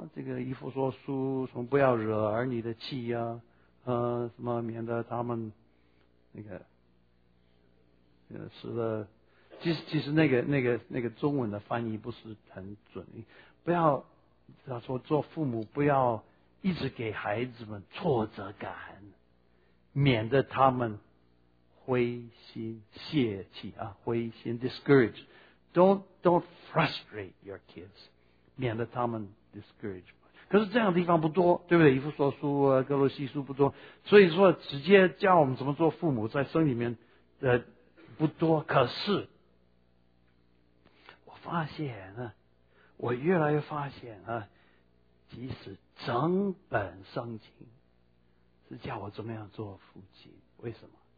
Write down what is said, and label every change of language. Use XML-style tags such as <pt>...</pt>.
<zh>这个以弗所书什么不要惹儿女的气啊，什么免得他们那个是的，其实那个中文的翻译不是很准。不要，他说做父母不要一直给孩子们挫折感，免得他们灰心泄气啊，灰心 discourage。</zh> <en>Don't frustrate your kids，</en> <zh>免得他们</zh> <en>discourage。</en> <zh>可是这样的地方不多，对不对？以弗所书啊、哥罗西书不多，所以说直接教我们怎么做父母，在圣经里面的不多。可是我发现呢，我越来越发现啊，即使整本圣经是叫我怎么样做父亲，为什么？</zh>